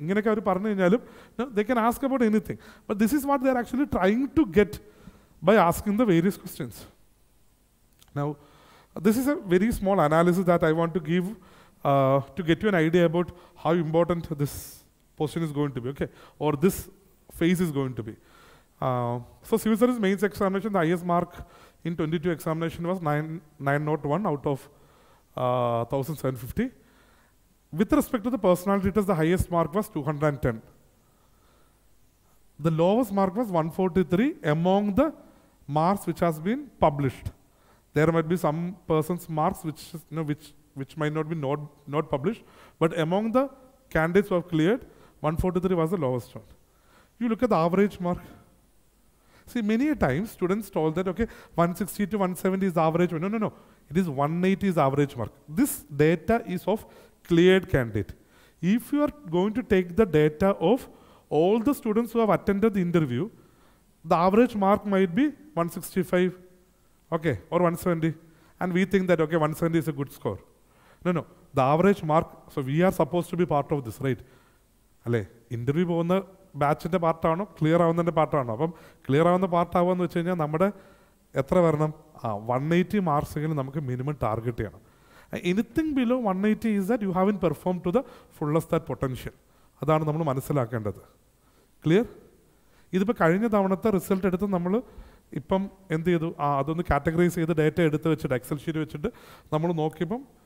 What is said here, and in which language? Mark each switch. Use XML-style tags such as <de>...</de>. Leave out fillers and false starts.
<ml>ഇങ്ങനെയൊക്കെ അവർ പറഞ്ഞു കഴിഞ്ഞാലും</ml> <en>They can ask about anything, but this is what they're actually trying to get by asking the various questions. Now this is a very small analysis that I want to give to get you an idea about how important this position is going to be, okay, or this phase is going to be. So civil service mains examination, the IAS mark in 22 examination was 901 out of 1750. With respect to the personality test, the highest mark was 210. The lowest mark was 143 among the marks which has been published. There might be some persons' marks which, you know, which might not be not published, but among the candidates who have cleared, 143 was the lowest one. You look at the average mark. See, many a times students told that, okay, 160 to 170 is the average. No, no, no. It is 180 is the average mark. This data is of cleared candidate. If you are going to take the data of all the students who have attended the interview, the average mark might be 165, okay, or 170. And we think that, okay, 170 is a good score. No, no. The average mark, so we are supposed to be part of this, right?</en> <ml>Alle, interview on the ബാച്ചിൻ്റെ പാർട്ടാണോ clear ആവുന്നതിൻ്റെ പാർട്ടാണോ? അപ്പം clear ആവുന്ന പാർട്ടാവുക എന്ന് വെച്ച് കഴിഞ്ഞാൽ നമ്മുടെ എത്ര വരണം? ആ 180 മാർക്സെങ്കിലും നമുക്ക് മിനിമം ടാർഗറ്റ് ചെയ്യണം.</ml> <en>Anything below 180 is that you have in perform to the fullest that potential.</en> <ml>അതാണ് നമ്മൾ മനസ്സിലാക്കേണ്ടത്. ക്ലിയർ? ഇതിപ്പോൾ കഴിഞ്ഞ തവണത്തെ റിസൾട്ട് എടുത്ത് നമ്മൾ ഇപ്പം എന്ത് ചെയ്തു? ആ അതൊന്ന് കാറ്റഗറൈസ് ചെയ്ത് ഡേറ്റ എടുത്ത് വെച്ചിട്ട് എക്സൽ ഷീറ്റ് വെച്ചിട്ട് നമ്മൾ നോക്കിയപ്പം</ml>